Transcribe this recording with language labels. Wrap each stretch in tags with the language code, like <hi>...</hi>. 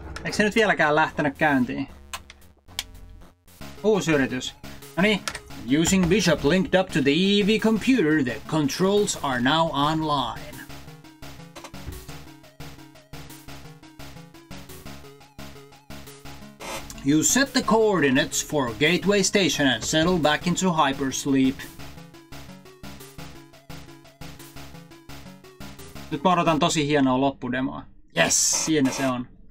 <fi>Eikö se nyt vieläkään lähtenyt käyntiin? Uusi yritys. Noniin.</fi> <en>Using Bishop linked up to the EV computer, the controls are now online. You set the coordinates for Gateway Station and settle back into hypersleep.</en> <fi>Nyt mä odotan tosi hienoa loppudemoa. Yes, siinä se on.</fi>